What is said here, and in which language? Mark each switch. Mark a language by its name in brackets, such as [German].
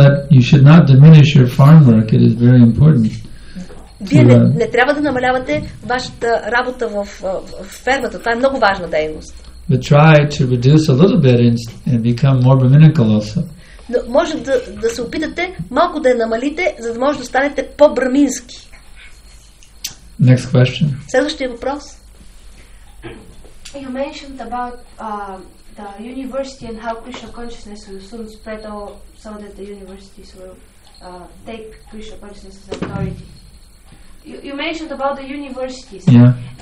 [English] You should not diminish your farm work, it is very important. [Bulgarian] Вие не трябва да намалявате вашата работа в фермата. Това е много важна дейност. [English] But try to reduce a little bit and become more brahminical also. [Bulgarian] Но може да се опитате малко да я намалите, за да може да станете по-брамински. [English] Next question. [Bulgarian] Следващия въпрос. [English] You mentioned about the university and how Krishna consciousness will soon spread all so that the universities will take Krishna consciousness as authority. You mentioned about the universities. Yeah.